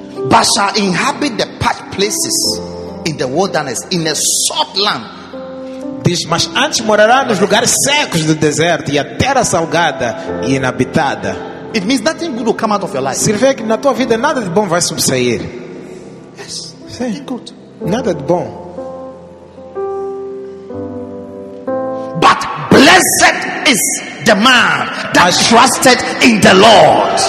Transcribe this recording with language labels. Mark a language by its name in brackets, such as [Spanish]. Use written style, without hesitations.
[English] But shall inhabit the parched places in the wilderness, in a salt land. [Portuguese] Diz, mas antes morará nos lugares secos do deserto e a terra salgada e inabitada. [English] It means nothing good will come out of your life. [Portuguese] Significa que na tua vida nada de bom vai subsair. [English] Yes. [Portuguese] Sim. [English] Good. [Portuguese] Nada de bom. [English] But blessed is the man that trusted in the Lord.